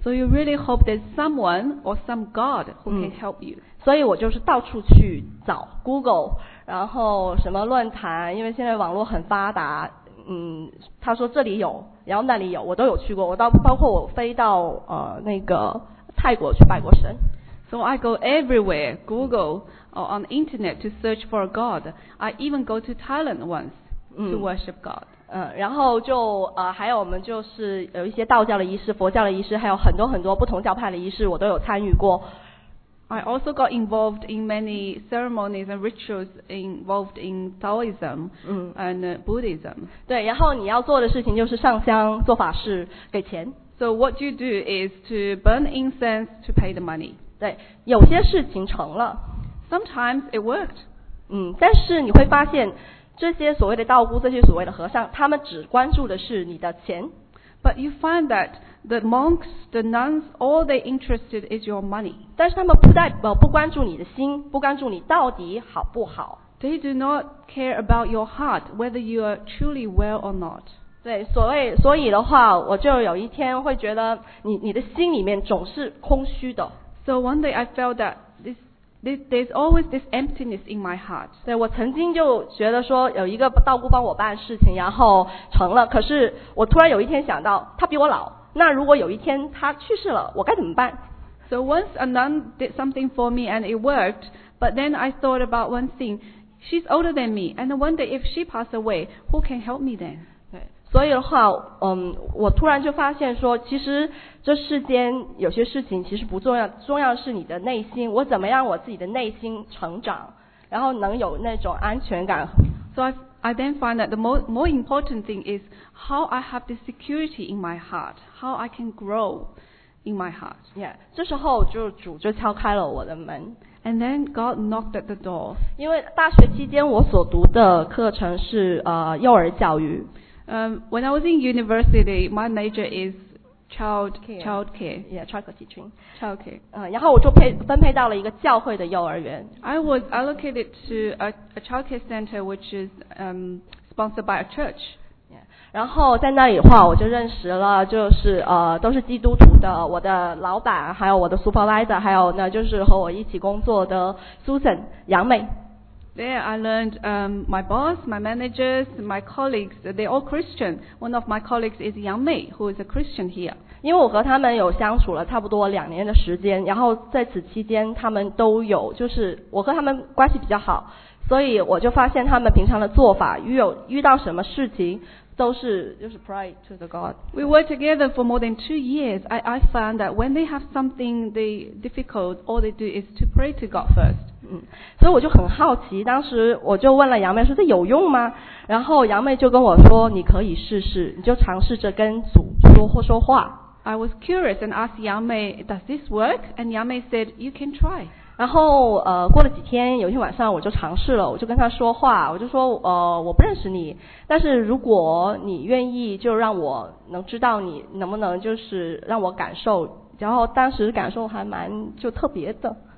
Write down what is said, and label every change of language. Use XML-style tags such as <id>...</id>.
<en>So you really hope there's someone or some God who can help you.</en> <zh>所以我就是到处去找 Google， 然后什么论坛，因为现在网络很发达。他说这里有，然后那里有，我都有去过。我到包括我飞到那个泰国去拜过神。</zh> <en>So I go everywhere, Google or on the internet to search for a God. I even go to Thailand once to worship God.</en> <zh>然后就还有我们就是有一些道教的仪式、佛教的仪式，还有很多很多不同教派的仪式，我都有参与过。</zh> <en>I also got involved in many ceremonies and rituals involved in Taoism and Buddhism.</en> <zh>对，然后你要做的事情就是上香、做法事、给钱。</zh> <en>So what you do is to burn incense to pay the money.</en> <zh>对，有些事情成了。</zh> <en>Sometimes it worked.</en> <zh>但是你会发现，这些所谓的道姑、这些所谓的和尚，他们只关注的是你的钱。</zh> <en>But you find that the monks, the nuns, all they're interested is your money.</en> <zh>但是他们不代表不关注你的心，不关注你到底好不好。</zh> <en>They do not care about your heart, whether you are truly well or not.</en> <zh>对，所以的话，我就有一天会觉得你的心里面总是空虚的。</zh> <en>So one day I felt that there's always this emptiness in my heart.</en> <zh>对，我曾经就觉得说有一个道姑帮我办事情，然后成了。可是我突然有一天想到，他比我老。那如果有一天他去世了，我该怎么办？</zh> <en>So once a nun did something for me and it worked, but then I thought about one thing. She's older than me, and I wonder if she passed away, who can help me then?</en> <zh>对，所以的话，我突然就发现说，其实这世间有些事情其实不重要，重要是你的内心。我怎么让我自己的内心成长，然后能有那种安全感。</zh> <en>So I then find that the more important thing is how I have the security in my heart, how I can grow in my heart.</en> <zh>Yeah, 这时候就主就敲开了我的门。</zh> <en>And then God knocked at the door.</en> <zh>因为大学期间我所读的课程是幼儿教育。</zh> <en>When I was in university, my major is child care. Yeah, child care teaching. Child care.</en> <zh>然后我就分配到了一个教会的幼儿园。</zh> <en>I was allocated to a child care center which is sponsored by a church.</en> <zh>Yeah. 然后在那里的话，我就认识了，就是都是基督徒的，我的老板，还有我的 supervisor， 还有那就是和我一起工作的 Susan 杨美。</zh> <en>There I learned my boss, my managers, my colleagues, they're all Christian. One of my colleagues is Yang Mei, who is a Christian here.</en> <zh>因为我和他们有相处了差不多两年的时间，然后在此期间他们都有，就是我和他们关系比较好，所以我就发现他们平常的做法，遇到什么事情都是就是</zh> <en>pray to the God. We worked together for more than 2 years. I found that when they have something they difficult, all they do is to pray to God first.</en> <zh>所以我就很好奇，当时我就问了杨妹说这有用吗？然后杨妹就跟我说你可以试试，你就尝试着跟主说话。</zh> <en>I was curious and asked Yang Mei, does this work? And Yang Mei said, you can try.</en> <zh>然后过了几天，有一天晚上我就尝试了，我就跟他说话，我就说我不认识你，但是如果你愿意就让我能知道你能不能就是让我感受，然后当时感受还蛮就特别的。</zh>